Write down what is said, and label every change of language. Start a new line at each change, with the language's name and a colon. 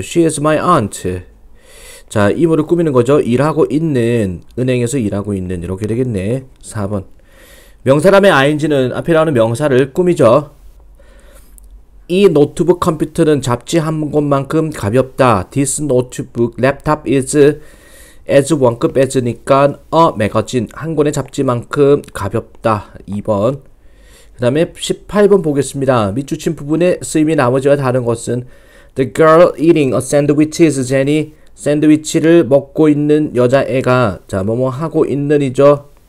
English: She is my aunt.
Korean: 자, 이모를 꾸미는 거죠. 일하고 있는, 은행에서 일하고 있는, 이렇게 되겠네. 4번. 명사라면 ing는 앞에 나오는 명사를 꾸미죠. 이 노트북 컴퓨터는 잡지 한 권만큼 가볍다.
English: This notebook laptop is as 원급 as니까 a magazine.
Korean: 한 권의 잡지만큼 가볍다. 2번. 그 다음에 18번 보겠습니다. 밑줄친 부분의 쓰임이 나머지와 다른 것은
English: The girl eating a sandwich is Jenny.
Korean: 샌드위치를 먹고 있는 여자애가 자 뭐뭐 하고 있는이죠.